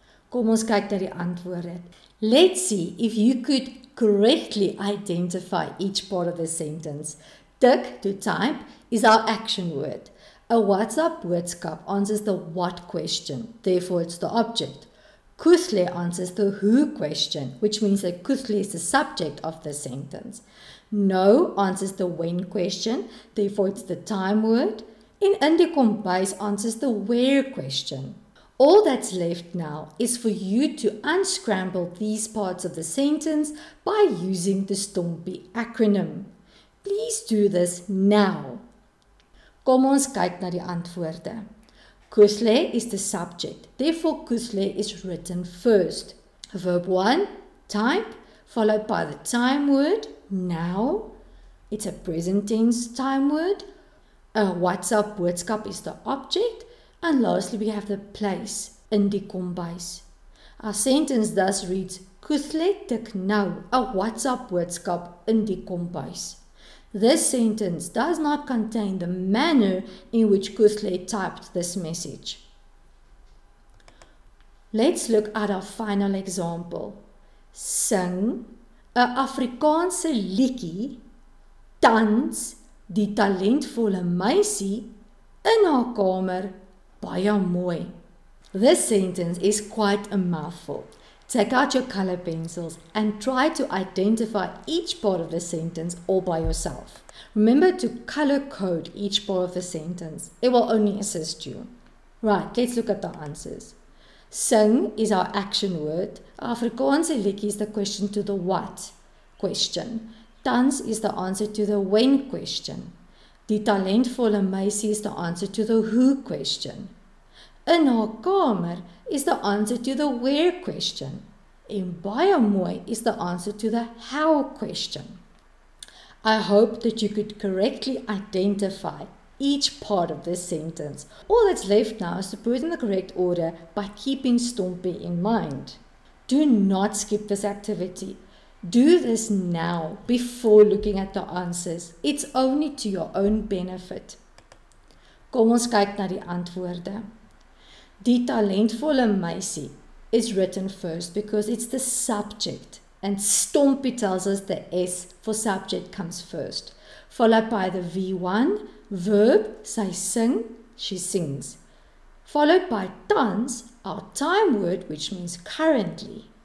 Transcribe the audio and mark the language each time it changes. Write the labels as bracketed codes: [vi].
[af] Kom ons kyk na die antwoorde. [en] Let's see if you could correctly identify each part of the sentence. Tik, to type, is our action word. [af] A WhatsApp boodskap [en] answers the what question, therefore it's the object. Kuchle answers the who question, which means that kuchle is the subject of the sentence. No answers the when question, therefore it's the time word. [af] En in die kombuis [en] answers the where question. All that's left now is for you to unscramble these parts of the sentence by using the Stompy acronym. Please do this now. [af] Kom ons kyk na die antwoorde. [en] Kuchle is the subject, therefore kuchle is written first. Verb 1, type, followed by the time word, now. It's a present tense time word. [af] A WhatsApp boodskap [en] is the object. And lastly, we have the place, [af] in die kombuis. [en] Our sentence thus reads, [af] kuchle tik nou, a WhatsApp boodskap in die kombuis. [en] This sentence does not contain the manner in which Kuchle typed this message. Let's look at our final example. [af] Sing 'n Afrikaanse liedjie, tans die talentvolle meisie in haar kamer baie mooi. [en] This sentence is quite a mouthful. Take out your color pencils and try to identify each part of the sentence all by yourself. Remember to color code each part of the sentence. It will only assist you. Right, let's look at the answers. Sing is our action word. [af] Afrikaanse liedjie [en] is the question to the what question. Dans is the answer to the when question. [af] Die talentvolle meisie [en] is the answer to the who question. [af] In haar kamer [en] is the answer to the where question. [af] En baie mooi [en] is the answer to the how question. I hope that you could correctly identify each part of this sentence. All that's left now is to put in the correct order by keeping Stompy in mind. Do not skip this activity. Do this now before looking at the answers. It's only to your own benefit. [af] Kom ons kyk na die antwoorde. Die talentvolle meisie [en] is written first because it's the subject. And Stompy tells us the S for subject comes first. Followed by the V1, verb, [af] sy sing, [en] she sings. Followed by [af] tans, [en] our time word, which means currently.